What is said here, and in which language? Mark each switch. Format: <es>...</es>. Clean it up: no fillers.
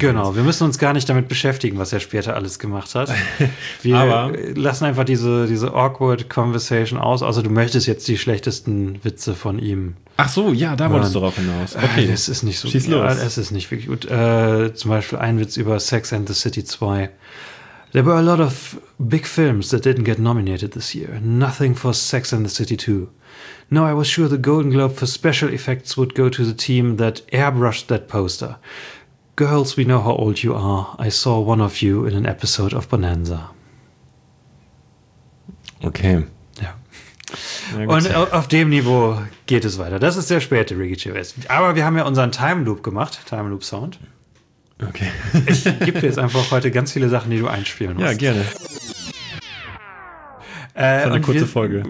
<de>Genau, wir müssen uns gar nicht damit beschäftigen, was er später alles gemacht hat. Wir lassen einfach diese</de> <en>awkward conversation</en> <de>aus, außer du möchtest jetzt die schlechtesten Witze von ihm. Ach so, ja, da wolltest du drauf hinaus. Okay. Das ist nicht so. Schieß los. Ja, es ist nicht wirklich gut. Zum Beispiel ein Witz über Sex and the City 2.</de> <en>There were a lot of big films that didn't get nominated this year. Nothing for Sex and the City 2. No, I was sure the Golden Globe for special effects would go to the team that airbrushed that poster. Girls, we know how old you are. I saw one of you in an episode of Bonanza.</en> <de>Okay. Ja. Und auf dem Niveau geht es weiter. Das ist der späte Ricky Gervais. Aber wir haben ja unseren Time Loop gemacht. Time Loop Sound. Okay. Ich gebe dir jetzt einfach heute ganz viele Sachen, die du einspielen musst. Ja, gerne. Eine kurze Folge.</de>